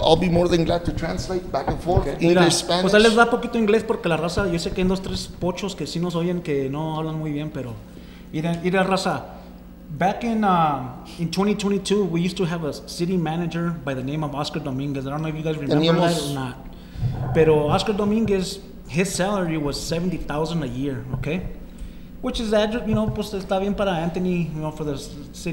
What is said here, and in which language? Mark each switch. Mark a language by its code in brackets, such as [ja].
[en] I'll be more than glad to translate back and forth. Okay. English, [es] mira, [en] Spanish. [es] Pues ahí les da poquito inglés porque la raza, yo sé que hay dos, tres pochos que sí nos oyen que no hablan muy bien, pero ir a raza. [en] Back in 2022, we used to have a city manager by the name of Oscar Dominguez. I don't know if you guys remember that or not. Pero Oscar Dominguez, his salary was $70,000 a year, okay? Which is, [es] pues está bien para [en] Anthony, for the city